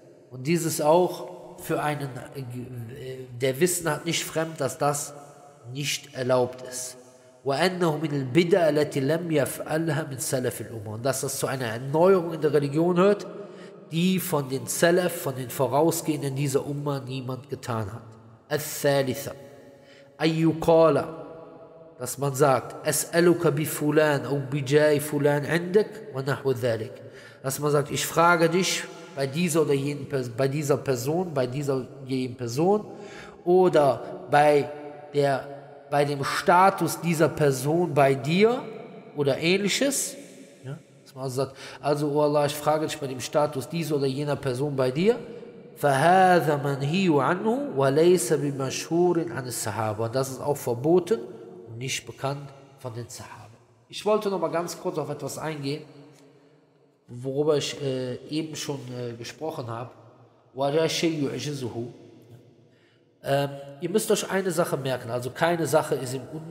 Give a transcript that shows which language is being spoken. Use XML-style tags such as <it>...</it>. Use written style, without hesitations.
<de>Und dies ist auch für einen, der Wissen hat nicht fremd, dass das nicht erlaubt ist.</de> <ar>وَأَنَّهُ مِنَ الْبِدَعَ الَّتِي لَمْ يَفْعَلْهَا مِنْ سَلَفِ الْأُمَّةِ.</ar> <de>Und dass das zu einer Erneuerung in der Religion hört, die von den Salaf, von den Vorausgehenden dieser Umma niemand getan hat.</de> <ar>الثَّالِثَ أَيُّقَالَ.</ar> <de>Dass man sagt,</de> <ar>أسألك بفلان أو بجاي فلان عندك ونحو ذلك.</ar> <de>Dass man sagt, ich frage dich bei dieser oder jenen Person, bei dieser Person, bei dieser jenen Person oder bei dem Status dieser Person bei dir oder ähnliches. Ja? Dass man also sagt, also oh Allah, ich frage dich bei dem Status dieser oder jener Person bei dir.</de> <ar>فهذا منهي عنه وليس بمشهور عن الصحابة.</ar> <de>Das ist auch verboten. Nicht bekannt von den Sahaben. Ich wollte noch mal ganz kurz auf etwas eingehen, worüber ich eben schon gesprochen habe. Ihr müsst euch eine Sache merken, also keine Sache ist im</de>